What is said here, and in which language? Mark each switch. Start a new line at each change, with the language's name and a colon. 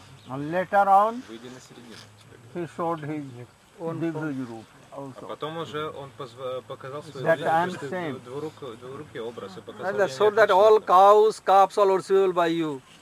English: And later on, he showed his divya roop also.
Russian: А потом уже он показал свой двурукий образ и показал.
English: And so that all cows, calves are worshipped by you.